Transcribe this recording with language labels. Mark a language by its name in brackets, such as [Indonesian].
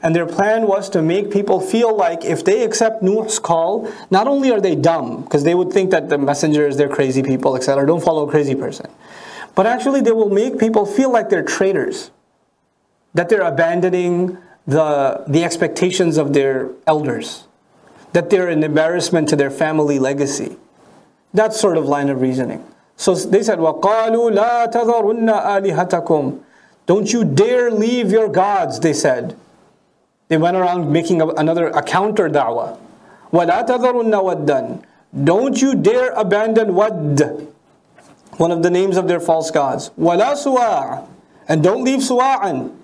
[English] And their plan was to make people feel like if they accept Nuh's call, not only are they dumb, because they would think that the messengers, they're crazy people, etc. Don't follow a crazy person. But actually they will make people feel like they're traitors. That they're abandoning the expectations of their elders. That they're an embarrassment to their family legacy. That sort of line of reasoning. So they said, [Arabic] وَقَالُوا لَا تَذَرُنَّ آلِهَتَكُمْ. [English] Don't you dare leave your gods, they said. They went around making another a counter da'wah. [Arabic] وَلَا تَذَرُنَّ وَدًّا. [English] Don't you dare abandon wadd. One of the names of their false gods. [Arabic] وَلَا سُوَاعَ. [English] And don't leave سُوَاعًا.